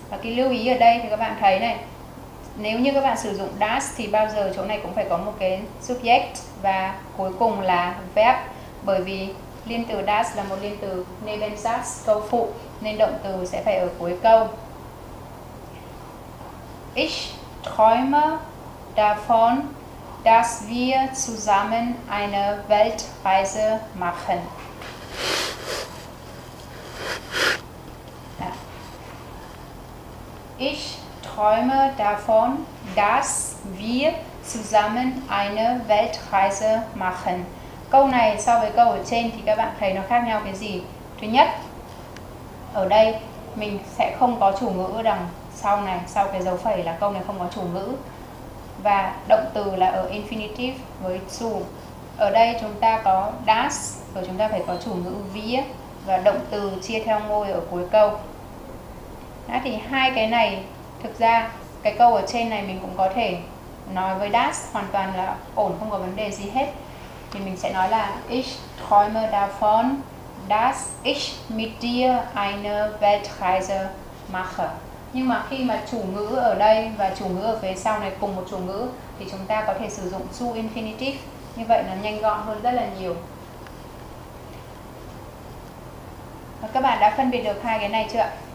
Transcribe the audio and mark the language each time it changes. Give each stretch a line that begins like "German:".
Vietnamese: Và cái lưu ý ở đây thì các bạn thấy này, nếu như các bạn sử dụng das thì bao giờ chỗ này cũng phải có một cái subject và cuối cùng là verb, bởi vì liên từ das là một liên từ Nebensatz câu phụ nên động từ sẽ phải ở cuối câu.
German: Ich träume davon, dass wir zusammen eine Weltreise machen. Ich träume davon, dass wir zusammen eine Weltreise machen.
Vietnamese: Câu này so với câu ở trên thì các bạn thấy nó khác nhau cái gì? Thứ nhất, ở đây mình sẽ không có chủ ngữ đằng sau này, sau cái dấu phẩy là câu này không có chủ ngữ. Và động từ là ở infinitive với zu. Ở đây chúng ta có das, rồi chúng ta phải có chủ ngữ wir và động từ chia theo ngôi ở cuối câu. Đó, thì hai cái này thực ra cái câu ở trên này mình cũng có thể nói với das hoàn toàn là ổn, không có vấn đề gì hết. Thì mình sẽ nói là
German: ich träume davon, dass ich mit dir eine Weltreise mache.
Vietnamese: Nhưng mà khi mà chủ ngữ ở đây và chủ ngữ ở phía sau này cùng một chủ ngữ thì chúng ta có thể sử dụng su infinitive, như vậy nó nhanh gọn hơn rất là nhiều. Và các bạn đã phân biệt được hai cái này chưa ạ?